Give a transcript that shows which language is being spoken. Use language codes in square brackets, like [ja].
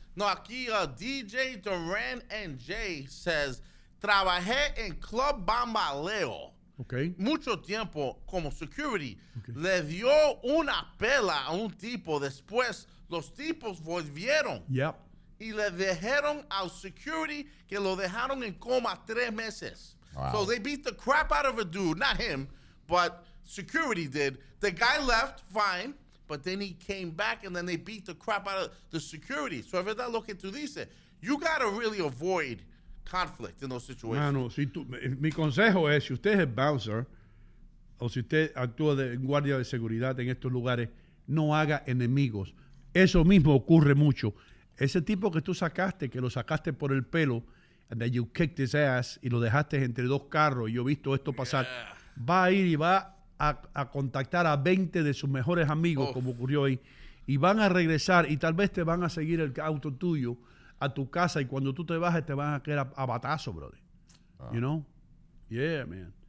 [es] No, aquí DJ Duran NJ says, trabajé en Club Bambaleo mucho tiempo como security. [en] Okay. [es] Le dio una pela a un tipo. Después los tipos volvieron. [en] Yep. [es] Y le dejaron al security que lo dejaron en coma 3 meses. [en] Wow. So they beat the crap out of a dude. Not him, but security did. The guy left, fine. But then he came back and then they beat the crap out of the security. So if that look into this, you got to really avoid conflict in those situations. [es] Mano, si tú, mi consejo es, si usted es el bouncer o si usted actúa de guardia de seguridad en estos lugares, no haga enemigos. Eso mismo ocurre mucho. Ese tipo que tú sacaste, que lo sacaste por el pelo, [en] and that you kicked his ass [es] y lo dejaste entre dos carros, y yo he visto esto pasar, va a ir y va a contactar a 20 de sus mejores amigos, como ocurrió ahí, y van a regresar y tal vez te van a seguir el auto tuyo a tu casa, y cuando tú te bajes te van a quedar a batazo, brother. [en] You know? Yeah, man.